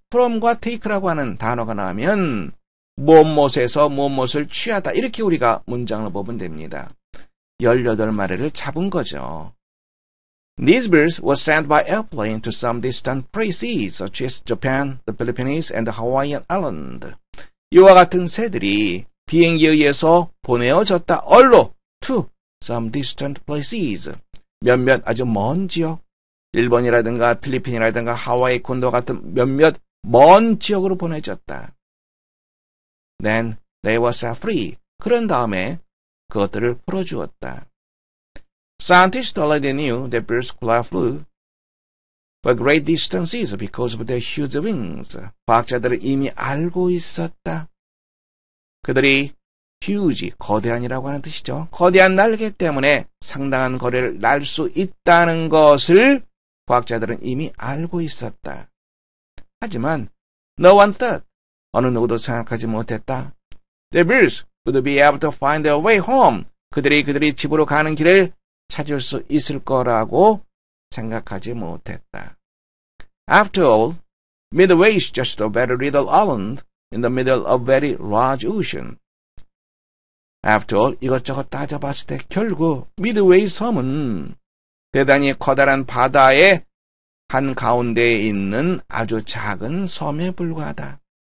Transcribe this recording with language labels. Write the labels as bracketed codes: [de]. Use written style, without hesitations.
[ko] from과 take라고 하는 단어가 나오면 무엇무엇에서 무엇무엇을 취하다 이렇게 우리가 문장을 보면 됩니다. 18마리를 잡은 거죠. [en] These birds were sent by airplane to some distant places such as Japan, the Philippines, and the Hawaiian Island. [ko] 이와 같은 새들이 비행기에 의해서 보내어졌다. 얼로 [en] to some distant places. [ko] 몇몇 아주 먼 지역. 일본이라든가 필리핀이라든가 하와이 군도 같은 몇몇 먼 지역으로 보내졌다. [en] Then they were set free. [ko] 그런 다음에 그것들을 풀어주었다. [en] Scientists already knew that birds could fly for great distances because of their huge wings. [ko] 과학자들은 이미 알고 있었다. 그들이 huge, 거대한이라고 하는 뜻이죠. 거대한 날개 때문에 상당한 거리를 날 수 있다는 것을 과학자들은 이미 알고 있었다. 하지만 [en] no one thought, [ko] 어느 누구도 생각하지 못했다. [en] The birds would be able to find their way home. [ko] 그들이 집으로 가는 길을 찾을 수 있을 거라고 생각하지 못했다. [en] After all, Midway is just a very little island in the middle of a very large ocean. After all, [ko] 이것저것 따져봤을 때 결국 미드웨이 섬은 대단히 커다란 바다의 한가운데에 있는 아주 작은 섬에 불과하다.